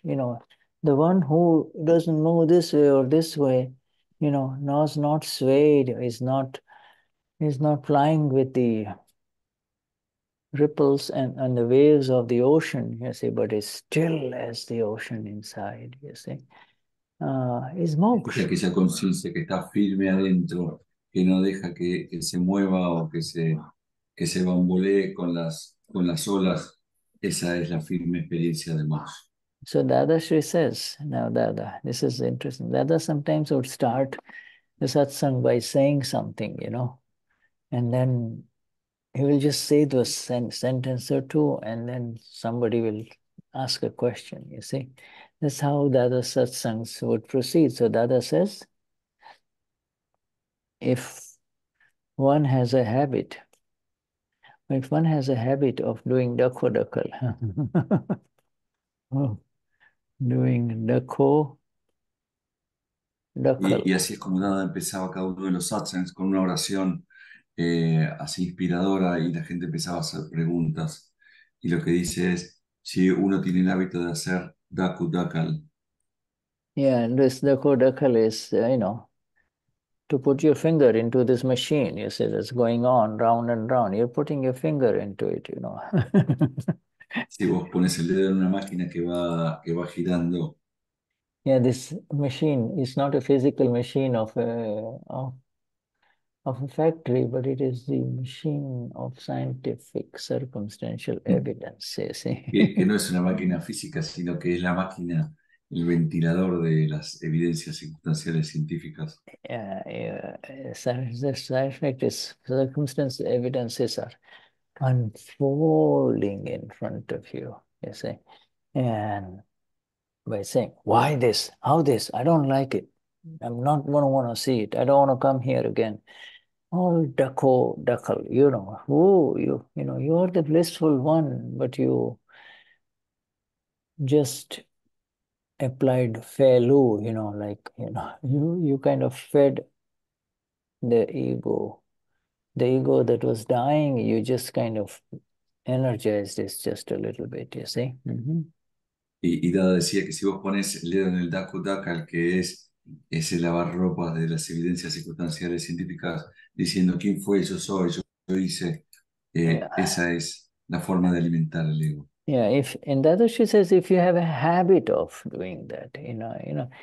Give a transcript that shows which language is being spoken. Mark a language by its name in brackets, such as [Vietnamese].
[English] You know, the one who doesn't move this way or this way, you know, knows not swayed, is not flying with the ripples and the waves of the ocean, you see, but it's still as the ocean inside, you see, is [Spanish] Es moksha. aquella conciencia que está firme adentro, que no deja que se mueva o que se bambolee con las olas. Esa es la firme experiencia de Moksha. [English] So Dadashri says, now Dada, this is interesting. Dada sometimes would start the satsang by saying something, you know, and then he will just say those sentence or two, and then somebody will ask a question, you see. That's how the other satsangs would proceed. So Dada says, if one has a habit of doing dakko dakkal, doing dakko [Spanish] Y [English] dakkal. [Spanish] así es como nada, empezaba cada uno de los satsangs con una oración así inspiradora, y la gente empezaba a hacer preguntas. Y lo que dice es, si uno tiene el hábito de hacer daku dakal. [English] Yeah, and this dakko dakkal is, to put your finger into this machine, you see, that's going on round and round. You're putting your finger into it, you know. [Spanish] Si vos pones el dedo en una máquina que va girando. [English] Yeah, this machine is not a physical machine of a factory, but it is the machine of scientific circumstantial evidence, you see. [Spanish] Que no es una máquina física, sino que es la máquina el ventilador de las evidencias circunstanciales científicas. [English] The circumstance evidences are unfolding in front of you, you see. And by saying, why this? How this? I don't like it. I'm not going to want to see it. I don't want to come here again. All duckle, you know. Oh, you know, you're the blissful one, but you just applied felu, you know, like, you know, you kind of fed the ego that was dying. You just kind of energized it just a little bit, you see. [Spanish] Y Dada decía que si vos pones el dedo en el daco dacal, que es ese lavar ropa de las evidencias circunstanciales científicas, diciendo quién fue, yo soy, yo lo hice, esa es la forma de alimentar el ego. [English] Yeah, if in that she says if you have a habit of doing that, you know.